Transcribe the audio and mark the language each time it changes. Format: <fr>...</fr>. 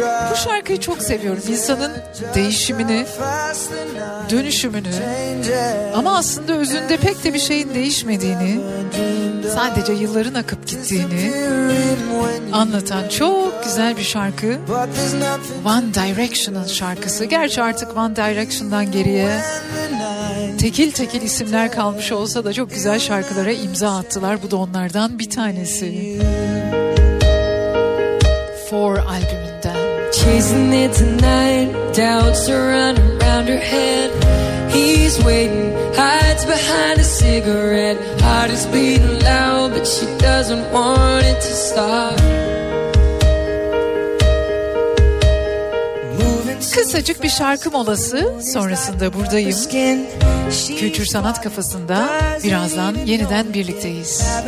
<tr>Bu şarkıyı çok seviyorum. İnsanın değişimini, dönüşümünü ama aslında özünde pek de bir şeyin değişmediğini, sadece yılların akıp gittiğini anlatan çok güzel bir şarkı. One Direction'ın şarkısı. Gerçi artık One Direction'dan geriye tekil tekil isimler kalmış olsa da çok güzel şarkılara imza attılar. Bu da onlardan bir tanesi. Four albümünden.</tr> <en>Chasing it tonight, doubts are running around her head. He's waiting, hides behind a cigarette. Heart is beating loud, but she doesn't want it to stop.</en> <tr>Kısacık bir şarkı molası sonrasında buradayım. Kültür Sanat Kafası'nda birazdan yeniden birlikteyiz.</tr>